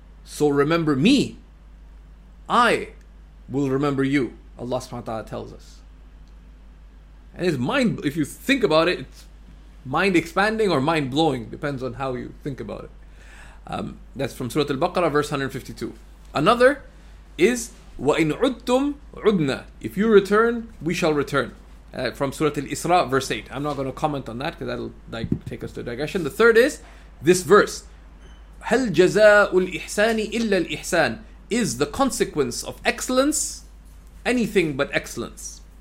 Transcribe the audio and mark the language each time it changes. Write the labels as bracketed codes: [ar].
[en] So remember me, I will remember you, Allah subhanahu wa ta'ala tells us. And it's mind, if you think about it, it's mind expanding or mind blowing, depends on how you think about it. That's from Surah Al-Baqarah, verse 152. Another is [ar] وَإِنْ عُدْتُمْ عُدْنَا. [en] If you return, we shall return. From Surah Al-Isra, verse 8. I'm not going to comment on that, because that'll like take us to digression. The third is this verse. [ar] هَلْ جَزَاءُ الْإِحْسَانِ إِلَّا الْإِحْسَانِ. [en] Is the consequence of excellence anything but excellence?